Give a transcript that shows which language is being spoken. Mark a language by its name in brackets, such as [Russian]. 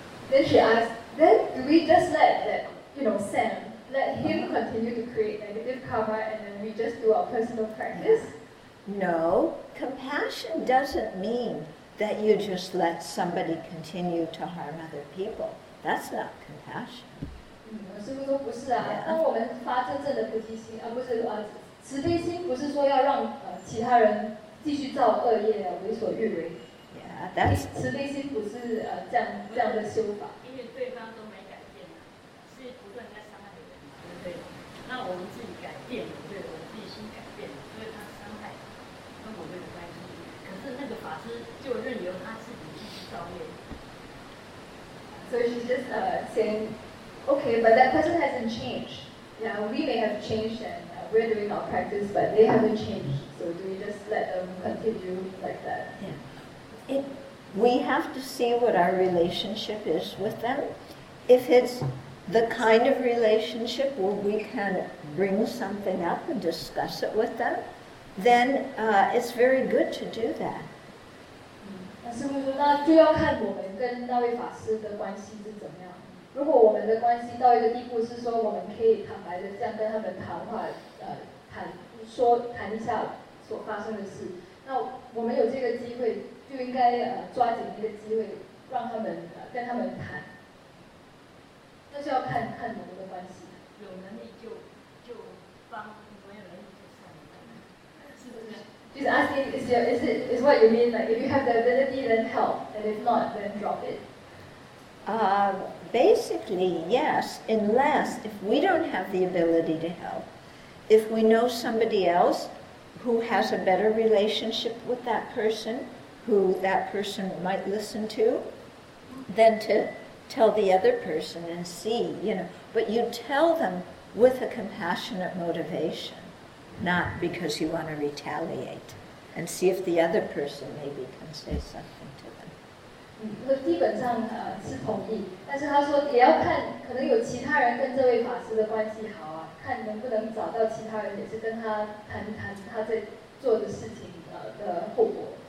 [English] Then she asked, then do we just let that, you know, Sam, let him continue to create negative karma and then we just do our personal practice? No, compassion doesn't mean that you just let somebody continue to harm other people. That's not compassion. [Chinese] 我师父说不是啊，当我们发真正的菩提心，而不是啊慈悲心，不是说要让其他人继续造恶业啊，为所欲为。 [English] That's, [Chinese] 慈悲心不是这样的修法，因为对方都没改变，是不断在伤害别人，对不对？那我们自己改变了，对我们自己心改变了，因为他伤害跟我没有关系。可是那个法师就任由他自己继续造业。 [English] So she's just saying, okay, but that person hasn't changed. Yeah, we may have changed and we're doing our practice, but they haven't changed. So do we just let them continue like that? Yeah. We have to see what our relationship is with them. If it's the kind of relationship where we can bring something up and discuss it with them, then it's very good to do that. [Chinese] 师父说，那就要看我们跟那位法师的关系是怎么样。如果我们的关系到一个地步，是说我们可以坦白的这样跟他们谈话，谈一下所发生的事，那我们有这个机会。就应该抓紧一个机会，让他们跟他们谈。那就要看看我们的关系，有能力就帮，没有能力就算了。就是 [English] asking is what you mean like if you have the ability then help and if not then drop it. Basically yes, unless if we don't have the ability to help, if we know somebody else who has a better relationship with that person. Who that person might listen to, than to tell the other person and see, you know. But you tell them with a compassionate motivation, not because you want to retaliate, and see if the other person maybe can say something to them. [Chinese] 基本上是同意，但是他说也要看，可能有其他人跟这位法师的关系好啊，看能不能找到其他人也是跟他谈一谈他在做的事情的后果。